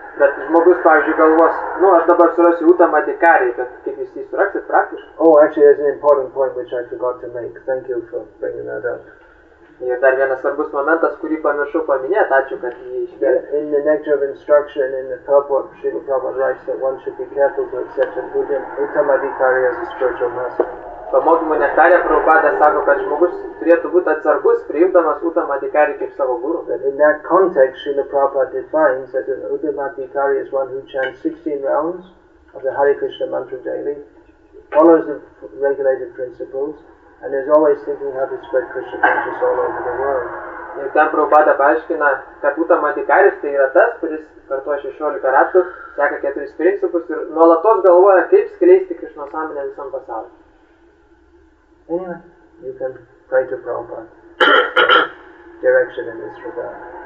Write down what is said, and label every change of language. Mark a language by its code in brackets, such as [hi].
[lt] Bet žmogus, pavyzdžiui, galvos, nu, aš dabar surasiu Uttamadhikari, bet kaip jis įsiraksi praktiškai. [en] Oh, actually, there's an important point which I forgot to make. Thank you for bringing that up. [lt] Ir dar vienas svarbus momentas, kurį pamiršau paminėti, ačiū, kad jį išgirdote. [en] In the nectar of instruction, in the purport, Srila Prabhupada writes that one should be careful to accept an Uttamadhikari as a spiritual master. [lt] Pamokymo nektare Prabhupada sako, kad žmogus turėtų būti atsargus, priimdamas Uttamadhikari kaip savo guru. [en] In that context, Srila Prabhupada defines that an Uttamadhikari is one who chants 16 rounds of the Hare Krishna mantra daily, follows the regulated principles, and is always thinking how to spread Krishna consciousness all over the world. [lt] Ir ten Prabhupada paaiškina, kad Uttamadhikaris tai yra tas, kuris kartuoja 16 ratų, seka 4 principus ir nuolatos galvoja, kaip skleisti Krishna sąmonę visam pasaulyje. [en] Anyway, you can pray to Prabhupada direction in this regard.